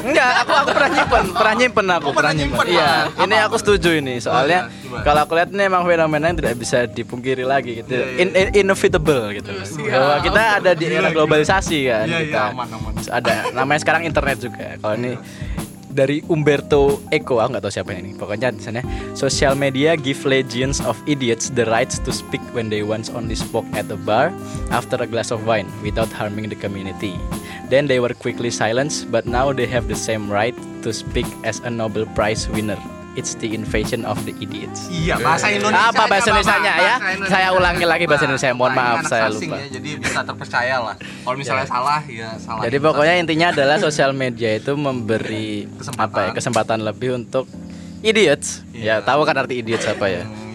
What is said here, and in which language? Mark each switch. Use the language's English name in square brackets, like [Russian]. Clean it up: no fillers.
[Indonesian] Enggak, aku pernah nyimpen. Iya, ini aku setuju ini soalnya kalau aku lihat ini emang fenomena yang tidak bisa dipungkiri lagi gitu. Inevitable gitu. Bahwa kita ada di era globalisasi kan. Aman. Ada namanya sekarang internet juga. Kalau ini dari Umberto Eco, aku nggak tahu siapa ini. Pokoknya di sana, [English] social media give legions of idiots the rights to speak when they once only spoke at a bar after a glass of wine without harming the community. Then they were quickly silenced, but now they have the same right to speak as a Nobel Prize winner. It's the invasion of the idiots. [Indonesian] Iya, bahasa Indonesia. Apa bahasa Indonesianya ya? Saya ulangi lagi bahasa Indonesia. Mohon maaf saya lupa. Ya, jadi bisa terpercaya lah. Kalau misalnya salah ya salah. Jadi pokoknya intinya adalah sosial media itu memberi kesempatan lebih untuk idiots. Ya, tahu kan arti idiots apa ya?